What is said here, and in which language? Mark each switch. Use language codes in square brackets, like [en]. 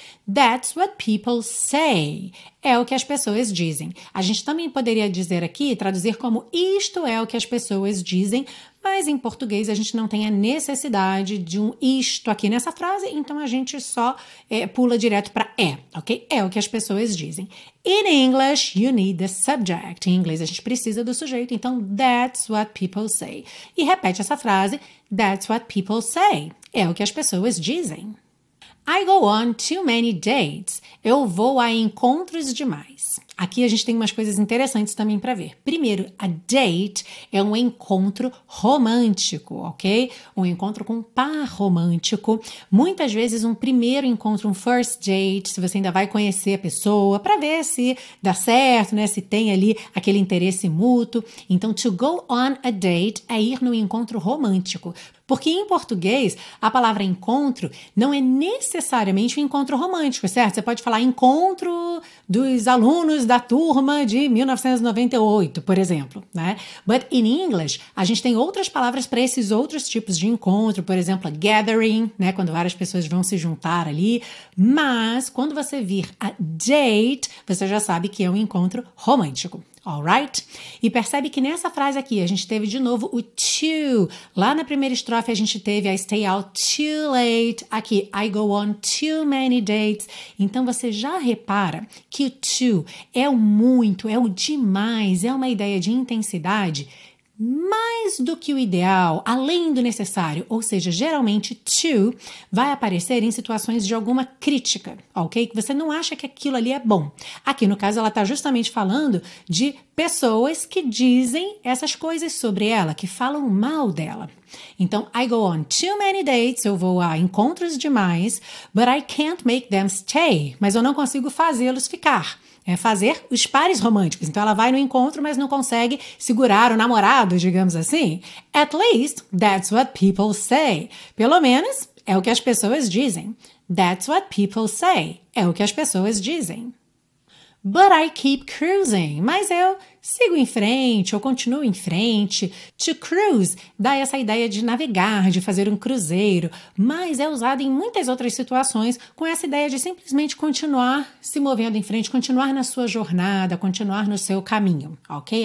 [en] That's what people say. [pt] É o que as pessoas dizem. A gente também poderia dizer aqui, traduzir como isto é o que as pessoas dizem, mas em português a gente não tem a necessidade de um isto aqui nessa frase, então a gente só pula direto para é, ok? É o que as pessoas dizem. [en] In English, you need the subject. [pt] Em inglês, a gente precisa do sujeito, então [en] that's what people say. [pt] E repete essa frase, [en] that's what people say. [pt] É o que as pessoas dizem. [en] I go on too many dates. [pt] Eu vou a encontros demais. Aqui a gente tem umas coisas interessantes também para ver. Primeiro, a date é um encontro romântico, ok? Um encontro com um par romântico. Muitas vezes um primeiro encontro, um first date, se você ainda vai conhecer a pessoa, para ver se dá certo, né? Se tem ali aquele interesse mútuo. Então, [en] to go on a date [pt] é ir num encontro romântico. Porque em português, a palavra encontro não é necessariamente um encontro romântico, certo? Você pode falar encontro dos alunos da turma de 1998, por exemplo, né? [en] But in English, [pt] a gente tem outras palavras para esses outros tipos de encontro, por exemplo, a gathering, né? Quando várias pessoas vão se juntar ali. Mas quando você vir a date, você já sabe que é um encontro romântico. Alright? E percebe que nessa frase aqui a gente teve de novo o too. Lá na primeira estrofe a gente teve [en] I stay out too late. Aqui, I go on too many dates. [pt] Então você já repara que o too é o muito, é o demais, é uma ideia de intensidade mais do que o ideal, além do necessário, ou seja, geralmente too vai aparecer em situações de alguma crítica, ok? Que você não acha que aquilo ali é bom. Aqui, no caso, ela está justamente falando de pessoas que dizem essas coisas sobre ela, que falam mal dela. Então, [en] I go on too many dates, [pt] eu vou a encontros demais, [en] but I can't make them stay, [pt] mas eu não consigo fazê-los ficar. É fazer os pares românticos. Então, ela vai no encontro, mas não consegue segurar o namorado, digamos assim. [en] At least, that's what people say. [pt] Pelo menos, é o que as pessoas dizem. [en] That's what people say. [pt] É o que as pessoas dizem. [en] But I keep cruising. [pt] Mas eu sigo em frente, eu continuo em frente. To cruise dá essa ideia de navegar, de fazer um cruzeiro, mas é usado em muitas outras situações com essa ideia de simplesmente continuar se movendo em frente, continuar na sua jornada, continuar no seu caminho, ok?